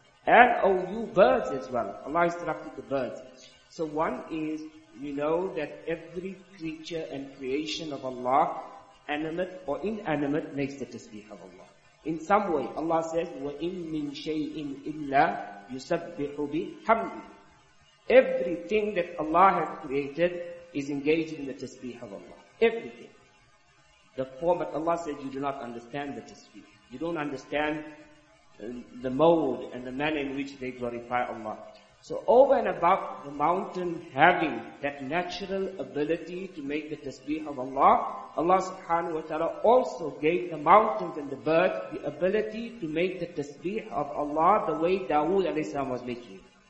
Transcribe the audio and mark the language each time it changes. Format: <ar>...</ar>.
<en>And O you birds as well, Allah instructed the birds. So one is, we know that every creature and creation of Allah, animate or inanimate, makes the tasbih of Allah. In some way, Allah says,</en> <ar>وَإِن مِّن شَيْءٍ إِلَّا يُسَبِّحُ بِحَمْدِ.</ar> <en>Everything that Allah has created is engaged in the tasbih of Allah. Everything. The format, Allah says, you do not understand the tasbih. You don't understand the mode and the manner in which they glorify Allah. So over and above the mountain having that natural ability to make the tasbih of Allah, Allah subhanahu wa ta'ala also gave the mountains and the birds the ability to make the tasbih of Allah the way Dawood alayhi salam was making.</en>